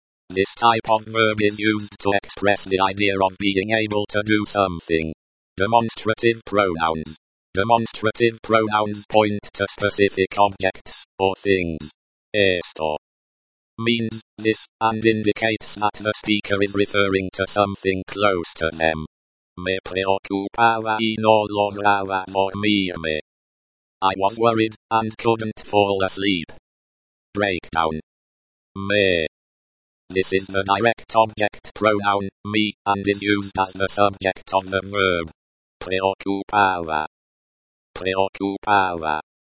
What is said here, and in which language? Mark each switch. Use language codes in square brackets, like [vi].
[en] This type of verb is used to express the idea of being able to do something. Demonstrative pronouns. Demonstrative pronouns point to specific objects or things. Esto means this and indicates that the speaker is referring to something close to them. [es] Me preocupaba y no lograba dormirme. [en] I was worried and couldn't fall asleep. Breakdown. Me. This is the direct object pronoun, me, and is used as the subject of the verb. [es] Preocupaba. Preocupaba.